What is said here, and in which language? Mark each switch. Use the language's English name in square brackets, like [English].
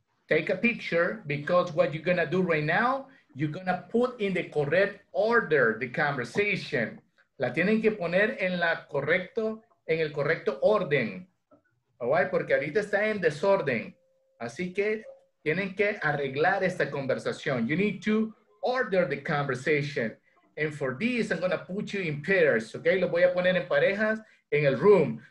[English] Take a picture, because what you're going to do right now, you're going to put in the correct order the conversation. [Spanish] La tienen que poner en la correcto, en el correcto orden. [English] All right? [Spanish] Porque ahorita está en desorden. Así que tienen que arreglar esta conversación. [English] You need to order the conversation. And for this, I'm going to put you in pairs. Okay? [Spanish] Lo voy a poner en parejas en el room.